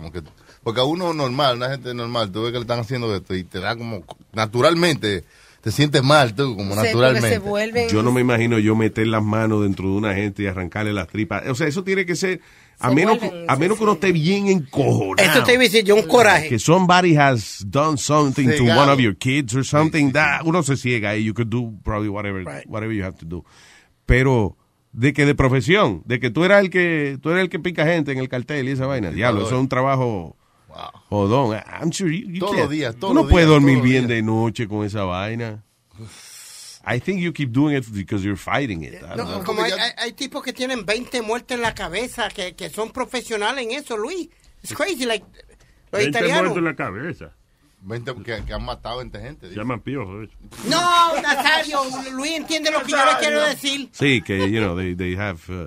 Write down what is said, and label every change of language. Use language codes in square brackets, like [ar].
[es] Como que, porque a uno normal, una gente normal, tú ves que le están haciendo esto y te da como naturalmente, te sientes mal tú, como sí, naturalmente. Se vuelven... Yo no me imagino yo meter las manos dentro de una gente y arrancarle las tripas. O sea, eso tiene que ser, a menos que uno esté bien encojonado. Esto te dice yo un coraje. [en] Que somebody has done something to one of your kids or something, that [es] uno se ciega y [en] you could do probably whatever you have to do. [es] Pero... De que de profesión, de que tú eras el que pica gente en el cartel y esa vaina. Diablo, eso es un trabajo jodón. [en] I'm sure you [es] todos los días, tú no puedes dormir bien de noche con esa vaina. [en] I think you keep doing it because you're fighting it. [es] No, como hay tipos que tienen 20 muertes en la cabeza, que son profesionales en eso, Luis. [en] It's crazy, like [es] los 20 italianos. Muertes en la cabeza. 20 que han matado 20 gente. Se llaman piojos, de hecho. No, Nazario, Luis entiende lo que yo le quiero decir. Sí, que, [en] you know, they have...